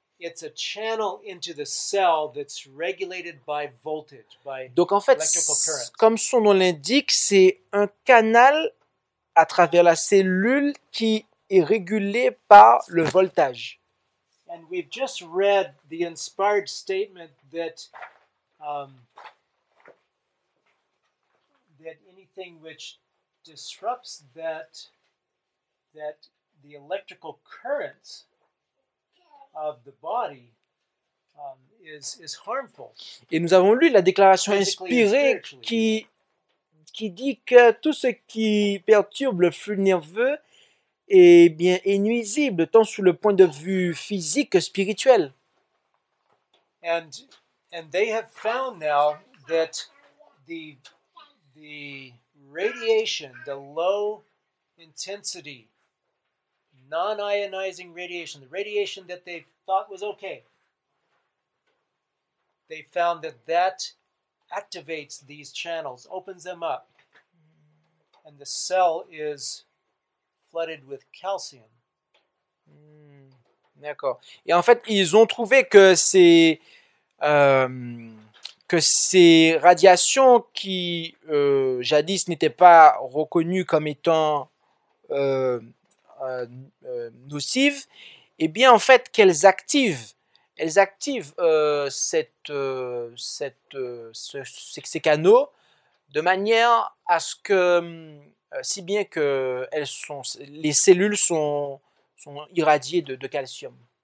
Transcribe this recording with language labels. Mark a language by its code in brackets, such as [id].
[en] It's a channel into the cell that's regulated by voltage, by [fr] donc en fait, comme son nom l'indique, c'est un canal à travers la cellule qui est régulé par le voltage. [en] And we've just read the inspired statement that that anything which disrupts that the electrical currents of the body is harmful. [fr] Et nous avons lu la déclaration inspirée qui dit que tout ce qui perturbe le flux nerveux est nuisible tant sous le point de vue physique que spirituel. [en] And they have found now that the radiation, the low intensity non-ionizing radiation, the radiation that they thought was okay, they found that activates these channels, opens them up, and the cell is flooded with calcium. [fr] D'accord. Et en fait, ils ont trouvé que ces radiations qui jadis n'étaient pas reconnues comme étant nocives, eh bien, en fait, qu'elles activent ces canaux de manière à ce que, si bien que les cellules sont irradiées de calcium.